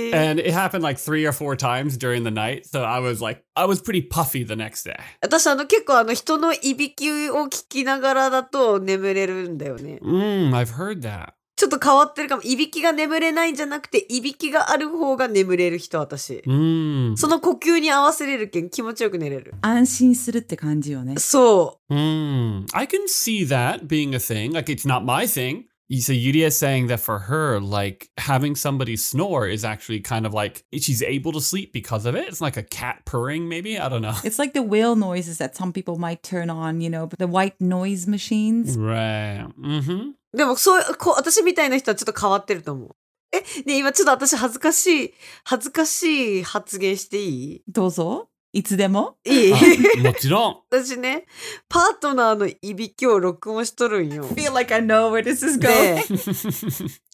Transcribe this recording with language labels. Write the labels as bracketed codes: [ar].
[en] And it happened like 3 or 4 times during the night. So I was pretty puffy the next day. [ja] 私結構人のいびきを聞きながらだと眠れるんだよね。 [en] I've heard that. [ja] ちょっと変わってるかも。いびきが眠れないんじゃなくて、いびきがある方が眠れる人私。その呼吸に合わせれるけん気持ちよく寝れる。安心するって感じよね。そう。 [en] I can see that being a thing. Like, it's not my thing. So Yuria is saying that for her, like, having somebody snore is actually kind of like, she's able to sleep because of it. It's like a cat purring, maybe? I don't know. It's like the whale noises that some people might turn on, you know, the white noise machines. Right. [ja] でもそう、こう、私みたいな人はちょっと変わってると思う。ね、今ちょっと私恥ずかしい発言していい? どうぞ。いつでも。いい。もちろん。私ね、パートナーのいびきを録音しとるんよ。 [en] I feel like I know where this is going.